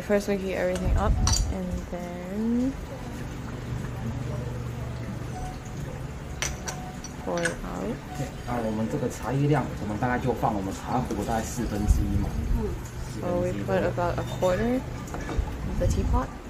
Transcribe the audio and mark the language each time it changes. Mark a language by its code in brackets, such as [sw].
[en] first we heat everything up, and then pour it out. [zh] 那我们这个茶叶量，我们大概就放我们茶壶大概四分之一嘛。 [en] So we put about a quarter of the teapot.